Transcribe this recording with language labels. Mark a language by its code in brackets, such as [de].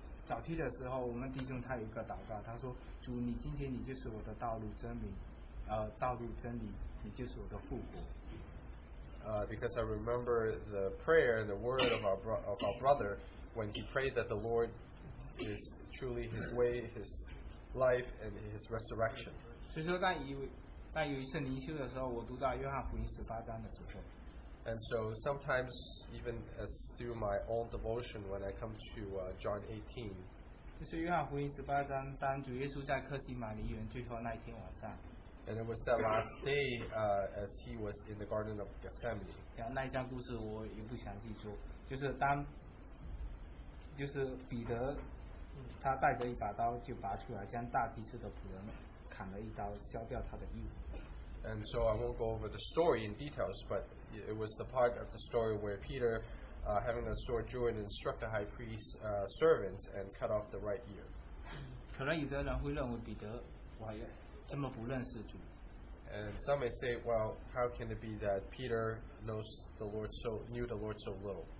[zh] 早期的时候，我们弟兄他有一个祷告，他说：“主，你今天你就是我的道路真理，道路真理，你就是我的复活。” [en] Because I remember the prayer and the word of our brother when he prayed that the Lord is truly his way, his life, and his resurrection. [zh] 所以说，但有一次灵修的时候，我读到约翰福音十八章的时候。 [en] And so sometimes, even as through my own devotion, when I come to John 18, [zh] 就是约翰福音十八章，当主耶稣在克西马尼园最后那一天晚上。 [en] And it was that last day, as he was in the Garden of Gethsemane. [zh] 那一章故事我也不详细说，就是彼得，他带着一把刀就拔出来，将大祭司的仆人砍了一刀，削掉他的衣服。 [en] And so I won't go over the story in details, but it was the part of the story where Peter, having the sword, drew it and struck the high priest's servants and cut off the right ear. And some may say, well, how can it be that Peter knew the Lord so little?